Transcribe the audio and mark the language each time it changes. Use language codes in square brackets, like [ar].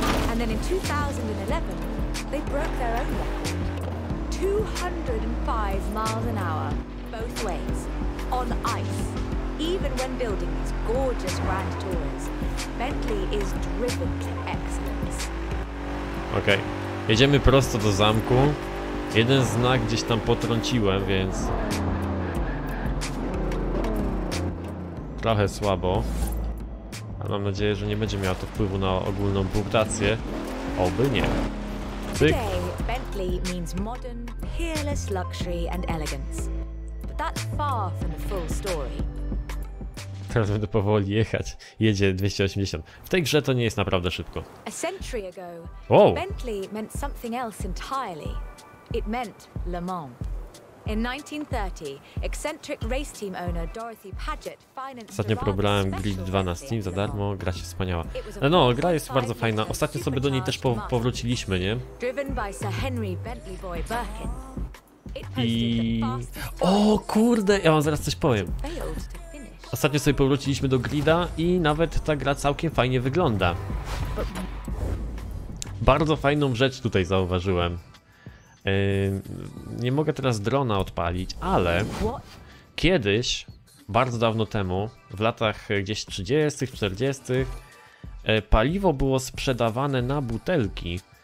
[en] And then in 2011, they broke their own record. 205 miles an hour, both ways, on ice, even when building these gorgeous grand tours, Bentley is driven to excellence. Okej. Okay. [pl] Jedziemy prosto do zamku. Jeden znak gdzieś tam potrąciłem, więc... Trochę słabo. Ale mam nadzieję, że nie będzie miało to wpływu na ogólną punktację. Oby nie. Cyk. [en] Today, Bentley means modern, peerless luxury and elegance. But that's far from the full story. [pl] Teraz będę powoli jechać. Jedzie 280. W tej grze to nie jest naprawdę szybko. [en] A century ago, Bentley meant something else entirely. It meant Le Mans. In 1930, eccentric race team owner Dorothy Paget financed. [pl] Ostatnio próbowałem Grid 2 na Steam za darmo, gra się wspaniała. No, gra jest bardzo fajna. Ostatnio sobie do niej też powróciliśmy, nie? [en] Driven by Sir Henry Bentley Boy Birkin. I... [pl] O kurde, ja wam zaraz coś powiem. Ostatnio sobie powróciliśmy do Grida i nawet ta gra całkiem fajnie wygląda. Bardzo fajną rzecz tutaj zauważyłem. Nie mogę teraz drona odpalić, ale kiedyś, bardzo dawno temu, w latach gdzieś 30-tych, 40-tych, paliwo było sprzedawane na butelki.